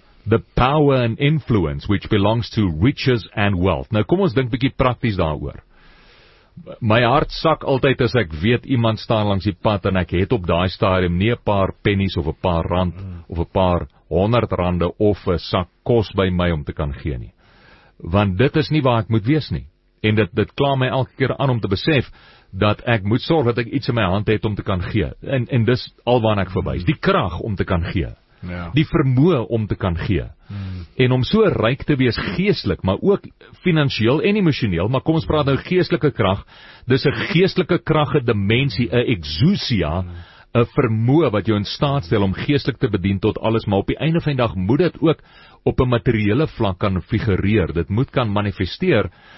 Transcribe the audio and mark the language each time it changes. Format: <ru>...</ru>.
<en>The power and influence which belongs to riches and wealth.</en> <af>Nou kom ons dink bietjie prakties daaroor. My hart sak altyd as ek weet iemand staan langs die pad en ek het op daai stadium nie 'n paar pennies of 'n paar rand of 'n paar 100 rande of 'n sak kos by my om te kan gee nie. Want dit is nie waar ek moet wees nie. En dit kla my elke keer aan om te besef dat ek moet sorg dat ek iets in my hand het om te kan gee. En dis alwaar ek verwys, die krag om te kan gee. Ja. Die vermoë om te kan gee. En om so ryk te wees geestelik, maar ook finansieel en emosioneel, maar kom ons praat nou geestelike krag, dis 'n geestelike krag, 'n dimensie, 'n exousia, 'n vermoë wat jou in staat stel om geestelik te bedien tot alles, maar op die einde van die dag moet dit ook op 'n materiële vlak kan figureer, dit moet kan manifesteer,</af>